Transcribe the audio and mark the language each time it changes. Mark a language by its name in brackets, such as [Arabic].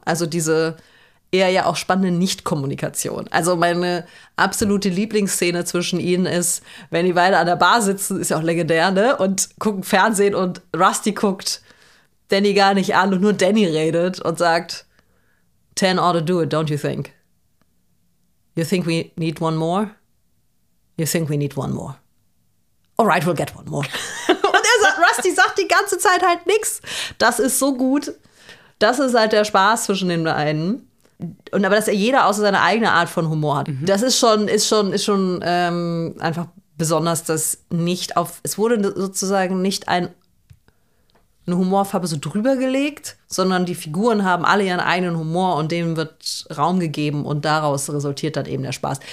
[German] Also diese eher ja auch spannende Nicht-Kommunikation. Also meine absolute Lieblingsszene zwischen ihnen ist, wenn die beide an der Bar sitzen, ist ja auch legendär, ne? Und gucken Fernsehen und Rusty guckt Danny gar nicht an und nur Danny redet und sagt, [English] 10 ought to do it, don't you think? You think we need one more? You think we need one more? All right, we'll get one more. [German] Und er sagt, Rusty sagt die ganze Zeit halt nichts. Das ist so gut. Das ist halt der Spaß zwischen den beiden. Und aber dass er jeder außer seine eigene Art von Humor hat, das ist schon einfach besonders, dass nicht auf, es wurde sozusagen nicht eine Humorfarbe so drüber gelegt, sondern die Figuren haben alle ihren eigenen Humor und dem wird Raum gegeben und daraus resultiert dann eben der Spaß.